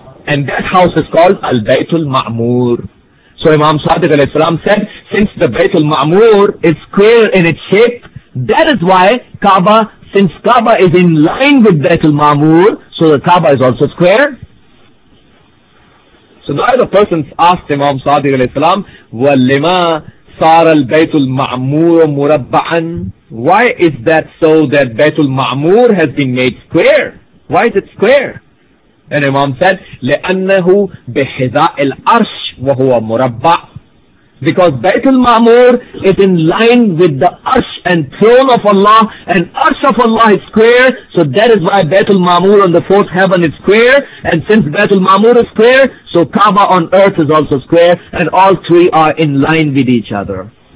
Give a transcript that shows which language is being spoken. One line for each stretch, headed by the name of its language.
English: And that house is called Al-Baytul Ma'mur. So Imam Sadiq alayhi salam said, since the Baytul Ma'mur is square in its shape, that is why Kaaba, since Kaaba is in line with Baytul Ma'mur, so the Kaaba is also square. So now the persons asked Imam Sadiq alayhi salam,
Arabic: وَلِمَا صَارَ الْبَيْتُ الْمَعْمُورُ مُرَبَّعًا.
English: Why is that so that Baytul Ma'mur has been made square? Why is it square? And Imam said,
Arabic: لِأَنَّهُ بِحِذَاءِ الْعَرْشِ وَهُوَ مُرَبَّعًا.
English: Because Baytul Ma'mur is in line with the Arsh and throne of Allah, and Arsh of Allah is square, so that is why Baytul Ma'mur on the fourth heaven is square, and since Baytul Ma'mur is square, so Kaaba on earth is also square, and all three are in line with each other.